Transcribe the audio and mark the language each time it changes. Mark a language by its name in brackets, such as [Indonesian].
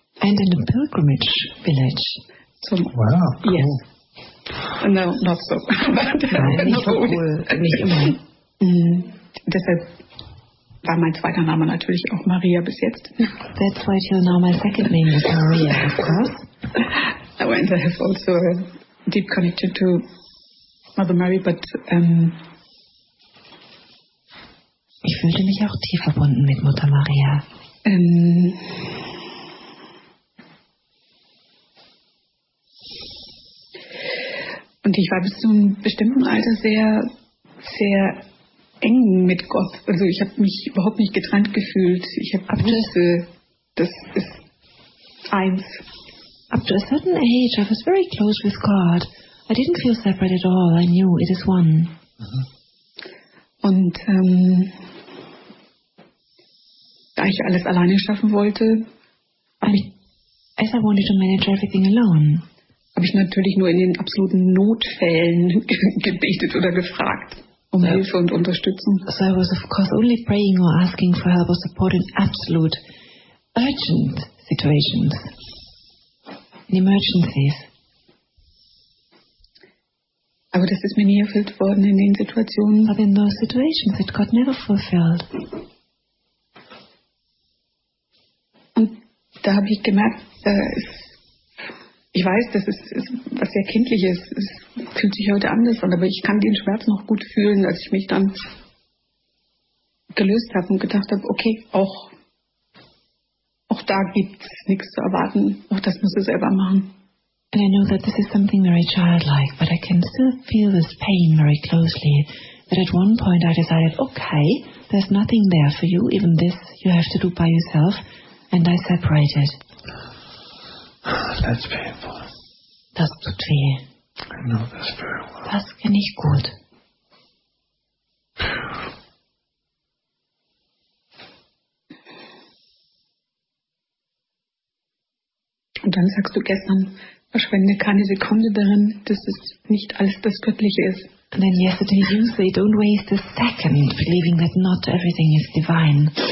[English] And in a pilgrimage village. [German] Zum [English] wow, cool. Yes. No, not so. [German] Deshalb war mein zweiter Name natürlich auch Maria bis jetzt. [English] That's why till now my second name is Maria, of course. Oh, and I have also a deep connection to Mother Mary, but [German] Ich fühle mich auch tief verbunden mit Mutter Maria. Und ich war bis zu einem bestimmten Alter sehr, sehr eng mit Gott. Also ich habe mich überhaupt nicht getrennt gefühlt. Ich habe Abschlüsse. Das ist eins. [English] Up to a certain age, I was very close with God. I didn't feel separate at all. I knew it is one. [German] Und da ich alles alleine schaffen wollte, [English] as I wanted to manage everything alone, [German] habe ich natürlich nur in den absoluten Notfällen gebetet oder gefragt um Hilfe und Unterstützung. [English] So I was of course only praying or asking for help or support in absolute urgent situations. In emergencies. [German] Aber das ist mir nie erfüllt worden in den Situationen. [English] But in those situations it got never fulfilled. [German] Und da habe ich gemerkt, ich weiß, das ist was sehr Kindliches. Es fühlt sich heute anders an, aber ich kann den Schmerz noch gut fühlen, als ich mich dann gelöst habe und gedacht habe, okay, auch da gibt es nichts zu erwarten. Auch das muss er selber machen. [English] And I know that this is something very childlike, but I can still feel this pain very closely. That at one point I decided, okay, there's nothing there for you, even this you have to do by yourself, and I separated. That's painful. [German] Das tut weh. [English] I know this very well. [German] Das kenne ich gut. [English] Und dann sagst du gestern, verschwende keine Sekunde darin, dass es nicht alles das Göttliche ist. And then yesterday you say, don't waste a second believing that not everything is divine.